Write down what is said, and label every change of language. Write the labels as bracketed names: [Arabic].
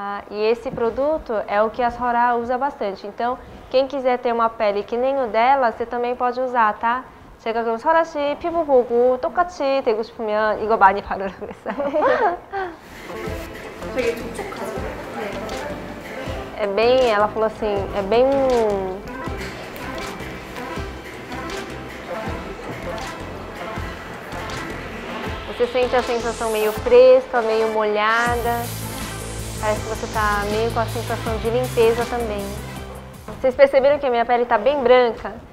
[Portuguese] E esse produto é o que a Sora usa bastante. Então, quem quiser ter uma pele que nem o dela, você também pode usar, tá? [Korean] 제가 그럼 설아 씨 피부 보고 똑같이 되고 싶으면 이거 많이 바르겠어요. 되게 촉촉하죠? 네. [Portuguese] 에 bem, ela falou assim, é bem. Você sente a sensação meio fresca, meio molhada. Parece que você tá meio com a sensação de limpeza também. Vocês perceberam que a minha pele tá bem branca?